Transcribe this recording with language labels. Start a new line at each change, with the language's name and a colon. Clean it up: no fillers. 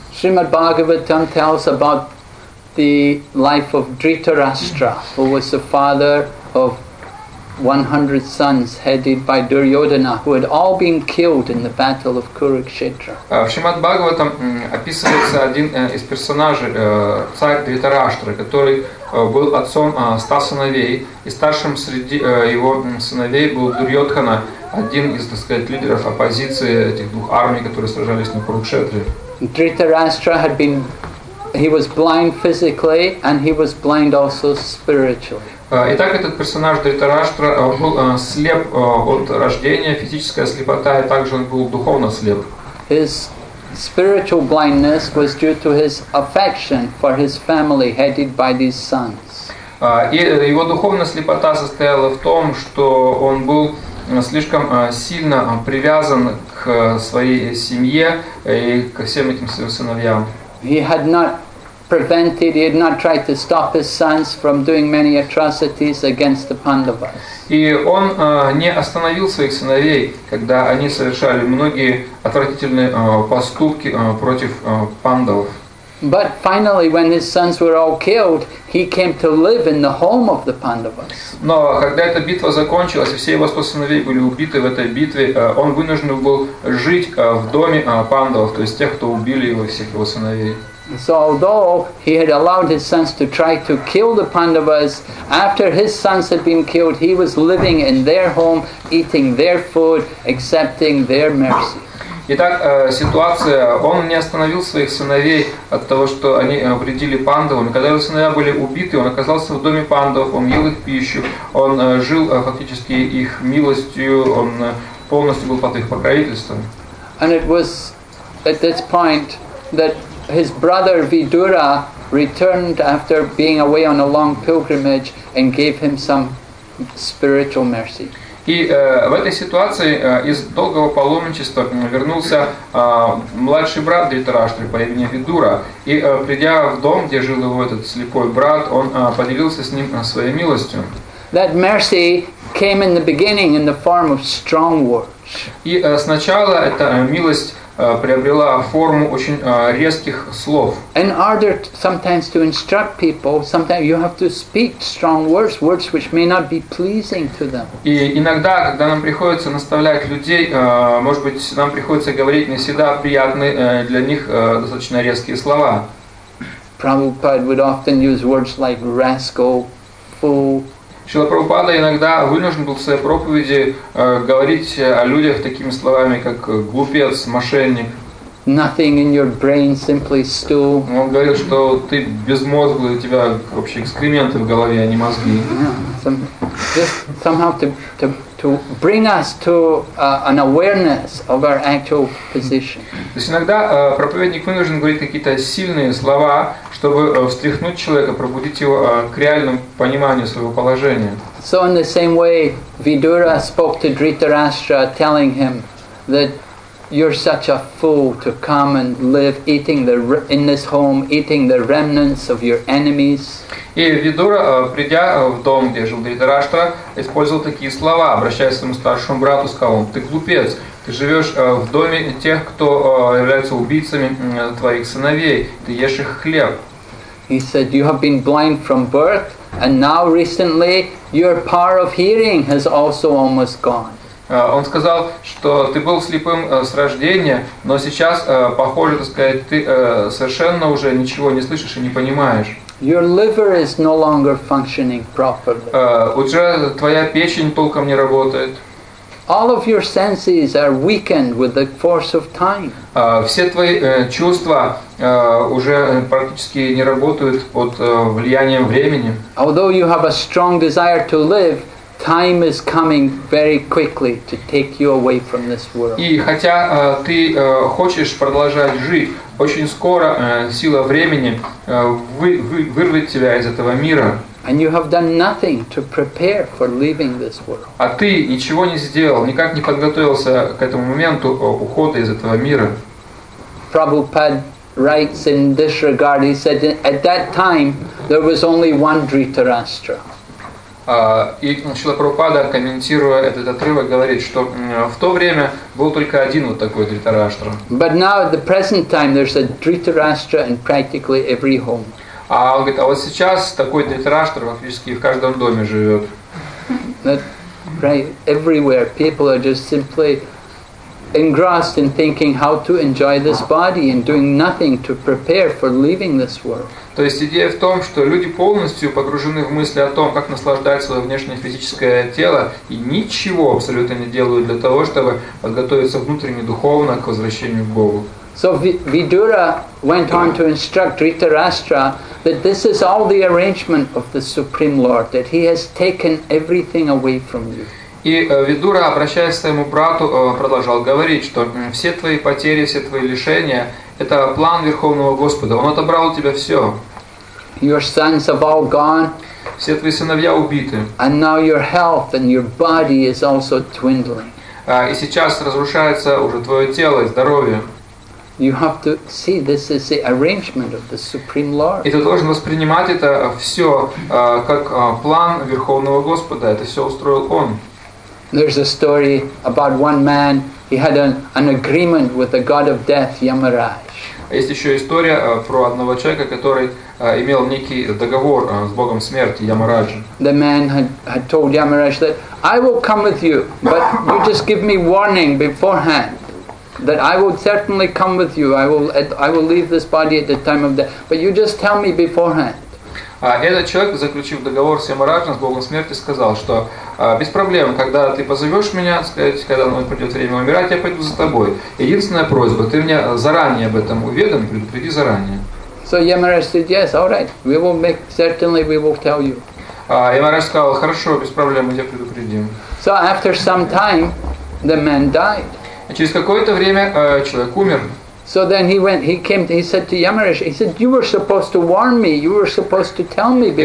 English: Srimad Bhagavatam tells about the life of Dhritarashtra, who was the father of 100 sons headed by Duryodhana, who had all been killed in the battle of Kurukshetra.
Russian: В Шримад Бхагаватам описывается один из персонажей, царь Дхритарашта, который был отцом 100 сыновей, и старшим среди его сыновей был Дурьотхана, один из, так сказать, лидеров оппозиции этих двух армий, которые сражались на Курукшетре.
English: Dhritarashtra had been, he was blind physically, and he was blind also spiritually.
Russian: Итак, этот персонаж Дхритараштра был слеп от рождения, физическая слепота, и также он был духовно слеп.
English: His spiritual blindness was due to his affection for his family headed by these sons.
Russian: И его духовная слепота состояла в том, что он был слишком сильно привязан к своей семье и ко всем этим своим сыновьям.
English: He had not prevented, he had not tried to stop his sons from doing many atrocities against the Pandavas.
Russian: И он не остановил своих сыновей, когда они совершали многие отвратительные поступки против пандавов.
English: But finally, when his sons were all killed, he came to live in the home of the Pandavas.
Russian: Но когда эта битва закончилась, и все его 100 сыновей были убиты в этой битве, он вынужден был жить в доме пандавов, то есть тех, кто убили его, всех его сыновей.
English: So although he had allowed his sons to try to kill the Pandavas, after his sons had been killed, he was living in their home, eating their food, accepting their mercy.
Russian: Итак, ситуация, он не остановил своих сыновей от того, что они вредили пандавам. Когда его сыновья были убиты, он оказался в доме пандавов, он ел их пищу, он жил фактически их милостью, он полностью был под их покровительством.
English: And it was at this point that his brother Vidura returned after being away on a long pilgrimage and gave him some spiritual mercy.
Russian: И в этой ситуации из долгого паломничества вернулся младший брат Дхритараштры по имени Видура. И придя в дом, где жил его этот слепой брат, он поделился с ним своей милостью.
English: That mercy came in the beginning in the form of strong words.
Russian: И сначала эта милость приобрела форму очень резких слов.
English: In order sometimes to instruct people, sometimes you have to speak strong words, words which may not be pleasing to them.
Russian: И иногда, когда нам приходится наставлять людей, может быть, нам приходится говорить не всегда приятные для них достаточно резкие слова.
English: Prabhupada would often use words like rascal, fool.
Russian: Шрила Прабхупада иногда вынужден был в своей проповеди говорить о людях такими словами, как глупец, мошенник.
English: nothing in your brain, simply stool.
Russian: Он говорит, что ты безмозглый, у тебя вообще экскременты в голове, а не мозги.
English: Just somehow to bring us to an awareness of our actual position.
Russian: То есть иногда проповедник вынужден говорить какие-то сильные слова, чтобы встряхнуть человека, пробудить его к реальному пониманию своего положения.
English: So in the same way, Vidura spoke to Dhritarashtra, telling him that you're such a fool to come and live eating the in this home, eating the remnants of your enemies.
Russian: И Видура, придя в дом, где жил Дхритарашта, использовал такие слова, обращаясь к своему старшему брату, сказал он: «Ты глупец, ты живешь в доме тех, кто является убийцами твоих сыновей, ты ешь их хлеб».
English: He said, you have been blind from birth, and now recently your power of hearing has also almost gone.
Russian: Он сказал, что ты был слепым с рождения, но сейчас, похоже, так сказать, ты совершенно уже ничего не слышишь и не понимаешь.
English: Your liver is no longer functioning properly.
Russian: Уже твоя печень толком не работает.
English: All of your senses are weakened with the force of time.
Russian: Все твои чувства уже практически не работают под влиянием времени.
English: Although you have a strong desire to live, time is coming very quickly to take you away from this world.
Russian: И хотя ты хочешь продолжать жить, очень скоро сила времени вырвет тебя из этого мира.
English: And you have done nothing to prepare for leaving this world.
Russian: А ты ничего не сделал, никак не подготовился к этому моменту ухода из этого мира.
English: Prabhupada writes in this regard, he said, at that time there was only one Dhritarashtra.
Russian: И Шрила Прабхупада, комментируя этот отрывок, говорит, что в то время был только один вот такой Дритараштра.
English: But now at the present time there's a Dhritarashtra in practically every home.
Russian: А он говорит, а вот сейчас такой Дритараштра фактически в каждом доме живет.
English: That, right, everywhere people are just simply engrossed in thinking how to enjoy this body and doing nothing to prepare for leaving this world.
Russian: То есть идея в том, что люди полностью погружены в мысли о том, как наслаждать свое внешнее физическое тело, и ничего абсолютно не делают для того, чтобы подготовиться внутренне духовно к возвращению к Богу.
English: So Vidura went on to instruct Dhritarashtra that this is all the arrangement of the Supreme Lord, that he has taken everything away from you.
Russian: И Видура, обращаясь к своему брату, продолжал говорить, что все твои потери, все твои лишения – это план Верховного Господа. Он отобрал у тебя все.
English: Your sons have all gone.
Russian: Все твои сыновья убиты.
English: And now your health and your body is also dwindling.
Russian: И сейчас разрушается уже твое тело и здоровье.
English: You have to see this is the arrangement of the Supreme Lord.
Russian: И ты должен воспринимать это все как план Верховного Господа. Это все устроил Он.
English: There's a story about one man. He had an agreement with the god of death, Yamaraj.
Russian: Есть еще история про одного человека, который имел некий договор с богом смерти, Ямараджем.
English: The man had told Yamaraj that I will come with you, but you just give me warning beforehand that I will certainly come with you. I will leave this body at the time of death, but you just tell me beforehand.
Russian: Этот человек, заключив договор с Ямараджем, с Богом Смерти, сказал, что без проблем, когда ты позовешь меня, сказать, когда придет время умирать, я пойду за тобой. Единственная просьба, ты меня заранее об этом уведоми, предупреди заранее.
English: So Yamaraj said, yes, all right, we will make, certainly we will tell you.
Russian: Ямараж сказал, хорошо, без проблем, мы тебя предупредим.
English: So after some time, the man died.
Russian: Через какое-то время человек умер.
English: So then he went, he came, he said to Yamaraj, he said, you were supposed to warn me, you were supposed to tell me before.